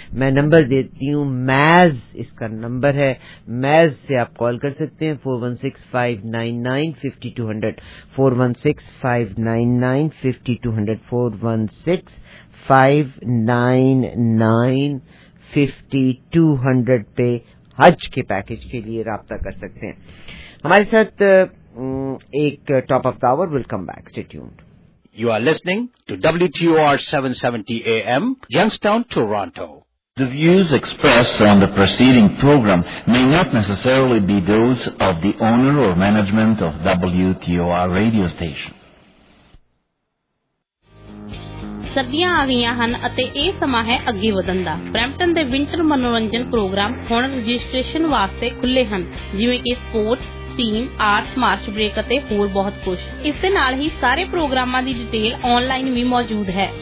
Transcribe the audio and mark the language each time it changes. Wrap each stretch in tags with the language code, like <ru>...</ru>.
<ur>میں نمبر دیتی ہوں, میز اس کا نمبر ہے. میز سے آپ کال کر سکتے ہیں 416-599-5200 پہ حج کے پیکج کے لیے رابطہ کر سکتے ہیں. ہمارے ساتھ ایک</ur> <en>Top of the hour, will come back, stay tuned. You are listening to WTOR 770 AM یگس town Toronto. The views expressed on the preceding program may not necessarily be those of the owner or management of WTOR radio station.</en> <pa>ਸਰਦੀਆਂ ਆ ਗਈਆਂ ਹਨ ਅਤੇ ਇਹ ਸਮਾਂ ਹੈ ਅੱਗੇ ਵਧਣ ਦਾ. ਬ੍ਰੈਂਪਟਨ ਦੇ ਵਿੰਟਰ ਮਨੋਰੰਜਨ ਪ੍ਰੋਗਰਾਮ ਹੁਣ ਰਜਿਸਟ੍ਰੇਸ਼ਨ ਵਾਸਤੇ ਖੁੱਲੇ ਹਨ, ਜਿਵੇਂ ਕਿ sports, steam, arts, March break ਅਤੇ ਹੋਰ ਬਹੁਤ ਕੁਝ. ਇਸ ਦੇ ਨਾਲ ਹੀ ਸਾਰੇ ਪ੍ਰੋਗਰਾਮਾਂ ਦੀ ਡਿਟੇਲ ਆਨਲਾਈਨ ਵੀ ਮੌਜੂਦ ਹੈ.</pa>